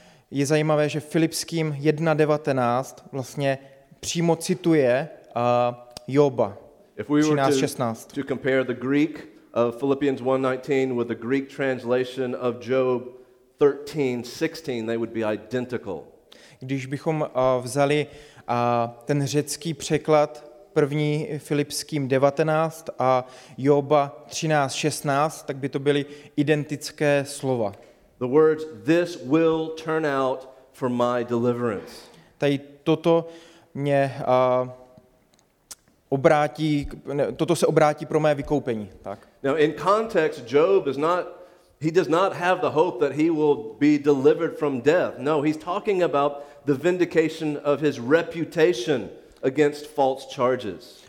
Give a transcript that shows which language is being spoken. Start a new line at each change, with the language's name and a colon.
Czech: Je zajímavé, že Filipským 1:19 vlastně přímo cituje Joba. 13:16.
English: To compare the Greek of Philippians 1:19 with the Greek translation of Job 13:16, they would be identical.
Czech: Když bychom vzali ten řecký překlad první Filipským 19 a Joba 13:16, tak by to byly identické slova.
English: The words "this will turn out for my deliverance."
Czech: Tady toto mě obrátí, toto se obrátí pro mé vykoupení, tak.
English: Now in context, Job is not, he does not have the hope that he will be delivered from death. No, he's talking about the vindication of his reputation against false charges.